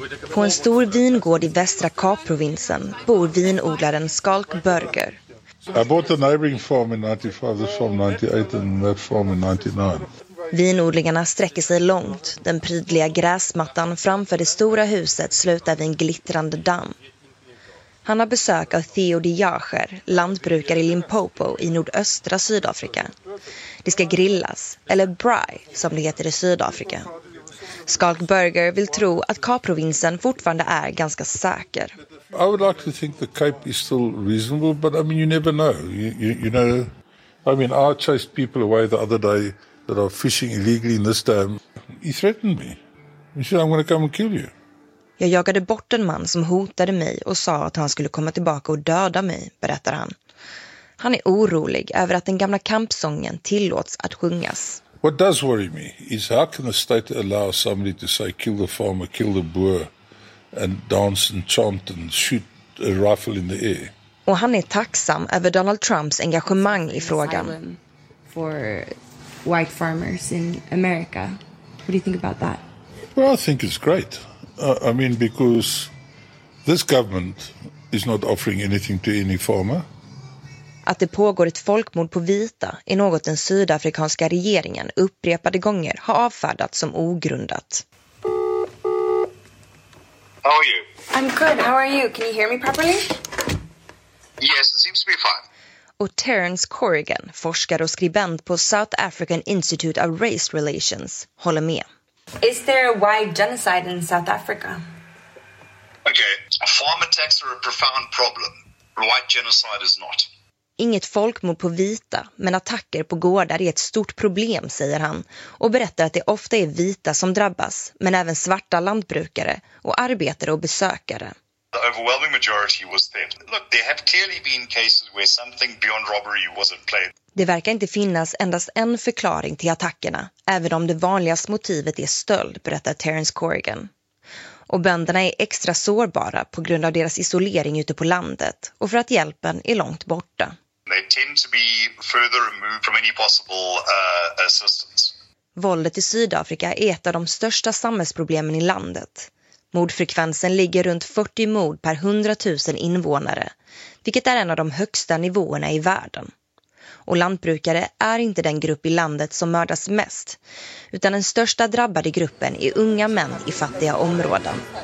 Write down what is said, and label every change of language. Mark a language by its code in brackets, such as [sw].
[sv] På en stor vingård i västra Kapprovinsen bor vinodlaren Skalk Burger. [en] I bought a neighboring farm in 95, this farm 98 and that farm in 99. [sv] Vinodlingarna sträcker sig långt. Den prydliga gräsmattan framför det stora huset slutar vid en glittrande damm. Han har besök av Theo de Jager, lantbrukare i Limpopo i nordöstra Sydafrika. Det ska grillas, eller braai som det heter i Sydafrika. Skalk Burger vill tro att Kapprovinsen fortfarande är ganska säker. [en] I would like to think the Cape is still reasonable, but I mean you never know. You know, I mean I chased people away the other day that are fishing illegally in this dam. He threatened me. He said I'm going to come and kill you. [sv] Jag jagade bort en man som hotade mig och sa att han skulle komma tillbaka och döda mig, berättar han. Han är orolig över att den gamla kampsången tillåts att sjungas. [en] What does worry me is how can the state allow somebody to say kill the farmer, kill the boer and dance and chant and shoot a rifle in the air. [sv] Och han är tacksam över Donald Trumps engagemang i frågan. [en] For white farmers in America. What do you think about that? Well, I think it's great. I mean, because this government is not offering anything to any farmer. [sv] Att det pågår ett folkmord på vita är något den sydafrikanska regeringen upprepade gånger har avfärdat som ogrundat. [en] How are you? I'm good. How are you? Can you hear me properly? Yes, it seems to be fine. [sv] Och Terence Corrigan, forskare och skribent på South African Institute of Race Relations, håller med. [en] Is there a white genocide in South Africa? Okay, farm attacks are a profound problem. White genocide is not. [sv] Inget folkmord på vita, men attacker på gårdar är ett stort problem, säger han. Och berättar att det ofta är vita som drabbas, men även svarta lantbrukare och arbetare och besökare. [en] The overwhelming majority was theft. Look, there have clearly been cases where something beyond robbery was at play. [sv] Det verkar inte finnas endast en förklaring till attackerna, även om det vanligaste motivet är stöld, berättar Terence Corrigan. Och bönderna är extra sårbara på grund av deras isolering ute på landet och för att hjälpen är långt borta. [en] They tend to be further removed from any possible assistance. [sv] Våldet i Sydafrika är ett av de största samhällsproblemen i landet. Mordfrekvensen ligger runt 40 mord per 100 000 invånare, vilket är en av de högsta nivåerna i världen. Och lantbrukare är inte den grupp i landet som mördas mest, utan den största drabbade gruppen är unga män i fattiga områden.